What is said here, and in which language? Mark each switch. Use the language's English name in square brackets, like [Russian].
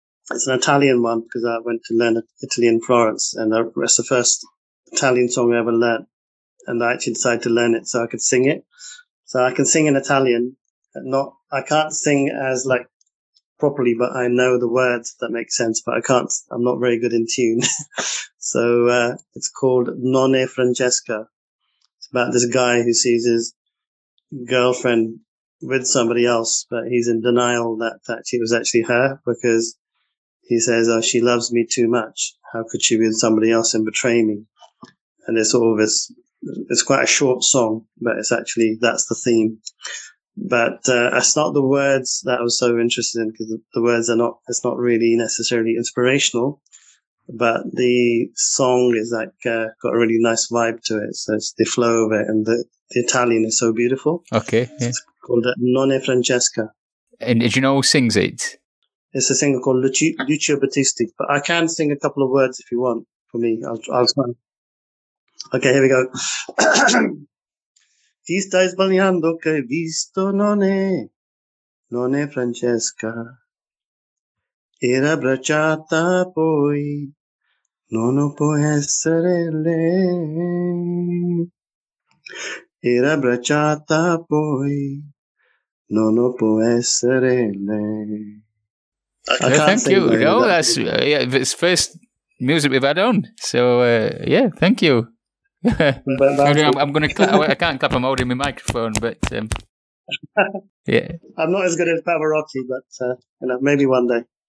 [English] It's an Italian one because I went to learn Italy in Florence, and that's the first Italian song I ever learned. And I actually decided to learn it so I could sing it. So I can sing in Italian, I can't sing as like properly, but I know the words that make sense, but I'm not very good in tune. So, it's called "Non è Francesca." It's about this guy who sees his girlfriend with somebody else, but he's in denial that she was actually her, because he says, "Oh, she loves me too much. How could she be with somebody else and betray me?" And it's sort of it's quite a short song, but it's actually, that's the theme. But it's not the words that I was so interested in, because the words are not, it's not really necessarily inspirational, but the song is like got a really nice vibe to it. So it's the flow of it, and the Italian is so beautiful. Okay. Yeah. Called "Non è Francesca." And do you know who sings it? It's a singer called Lucio Battisti. But I can sing a couple of words if you want for me. I'll try. Okay, here we go. [Italian] Ti stai sbagliando che hai visto non è Francesca. Era abbracciata poi, non può essere lei. Era abbracciata poi, non può essere lei. [English] Okay, thank you. No, that's this first music we've had on. So, yeah, thank you. I'm going to clap. I can't clap. I'm holding my microphone, but yeah. I'm not as good as Pavarotti, but you know, maybe one day.